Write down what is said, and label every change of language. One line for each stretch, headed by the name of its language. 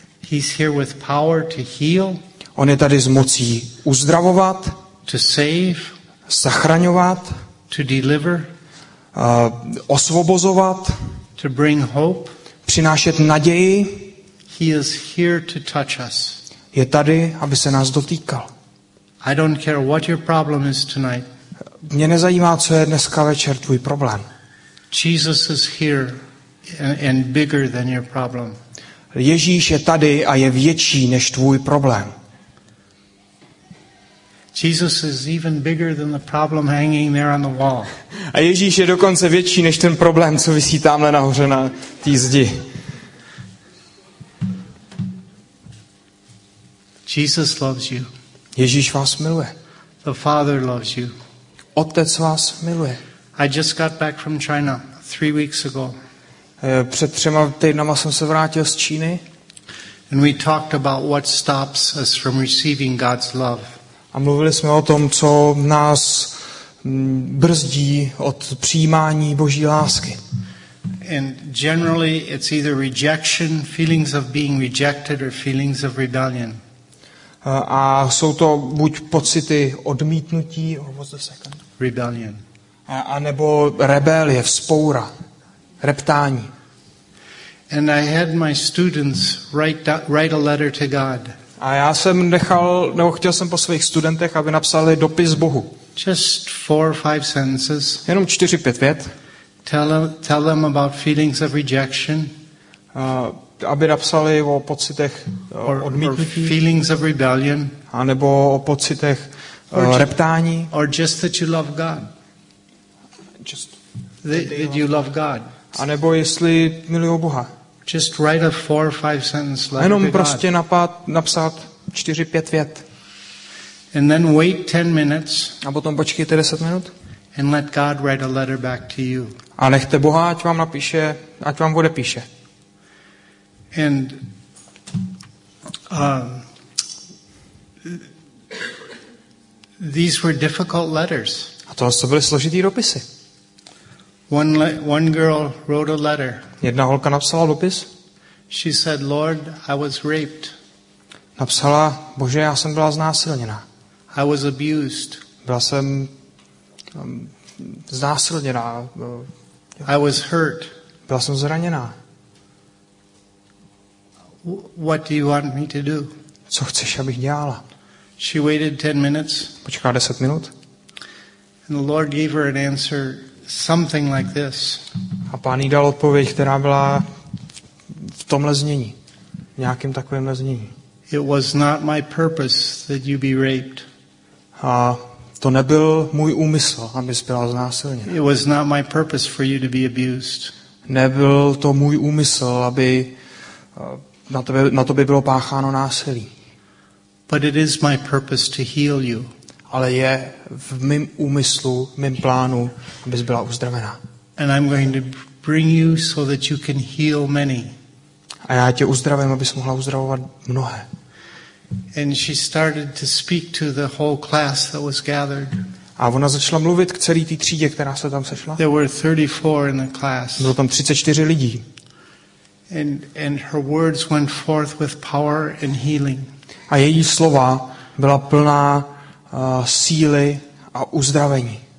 English: He's here with power to heal.
Czech: On je tady s mocí uzdravovat,
English: to save,
Czech: zachraňovat,
English: to deliver,
Czech: osvobozovat,
English: to bring hope,
Czech: přinášet naději.
English: He is here to touch us.
Czech: Je tady, aby se nás dotýkal.
English: I don't care what your problem is tonight.
Czech: Mě nezajímá, co je dneska večer tvůj problém.
English: Jesus is here and bigger than your problem.
Czech: Ježíš je tady a je větší než tvůj problém.
English: Jesus is even bigger than the problem hanging there on the wall.
Czech: A Ježíš je dokonce větší než ten problém, co visí tamhle nahoře na té zdi.
English: Jesus loves you.
Czech: Ježíš vás miluje.
English: The Father loves you.
Czech: Otec vás miluje.
English: I just got back from China 3 weeks ago.
Czech: Před 3 týdnama jsem se vrátil z Číny.
English: And we talked about what stops us from receiving God's love.
Czech: A mluvili jsme o tom, co nás brzdí od přijímání Boží lásky.
English: And generally it's either rejection, feelings of being rejected or feelings of rebellion.
Czech: A jsou to buď pocity odmítnutí,
English: or what's the second? Rebellion.
Czech: A nebo rebelie, vzpoura, reptání.
English: And I had my students write a letter to God.
Czech: A já jsem nechal, nebo chtěl jsem po svých studentech, aby napsali dopis Bohu.
English: Just 4 or 5 sentences.
Czech: Jenom 4-5 vět.
English: Tell them about feelings of rejection.
Czech: Aby napsali o pocitech odmítnutí.
English: Or feelings of rebellion.
Czech: A nebo o pocitech reptání.
English: Or just that you love God. Just that you love God.
Czech: A nebo jestli miluji Boha.
English: Just write a 4 or 5 sentence letter.
Czech: Jenom prostě napsat 4-5 vět.
English: And then wait 10 minutes.
Czech: A potom počkejte 10 minut.
English: And let God write a letter back to you.
Czech: A nechte Boha, ať vám napíše, ať vám odepíše.
English: And these were difficult letters.
Czech: A to byly složitý dopisy.
English: One girl wrote a letter.
Czech: Jedna holka napsala dopis.
English: She said, "Lord, I was raped."
Czech: Napsala: "Bože, já jsem byla znásilněna."
English: "I was abused."
Czech: Byla jsem znásilněna.
English: "I was hurt."
Czech: Byla jsem zraněna.
English: "What do you want me to do?"
Czech: Co chceš, abych dělala?
English: She waited 10 minutes.
Czech: Počkala 10 minut.
English: And the Lord gave her an answer something like this.
Czech: A Pán jí dal odpověď, která byla v tomhle znění. V nějakém takovém znění.
English: "It was not my purpose that you be raped."
Czech: A to nebyl můj úmysl, abys byla znásilněna.
English: "It was not my purpose for you to be abused."
Czech: Nebyl to můj úmysl, aby na to by bylo pácháno násilí.
English: "But it is my purpose to heal you."
Czech: Ale je v mém úmyslu, v mém plánu, abys byla uzdravena.
English: "And I'm going to bring you so that you can heal many."
Czech: A já tě uzdravím, abys mohla uzdravovat mnohé.
English: And she started to speak to the whole class that was gathered.
Czech: A ona začala mluvit k celé té třídě, která se tam sešla.
English: There were 34 in the class.
Czech: Bylo tam 34 lidí.
English: And her words went forth with power and healing.
Czech: A její slova byla plná síly a uzdravení.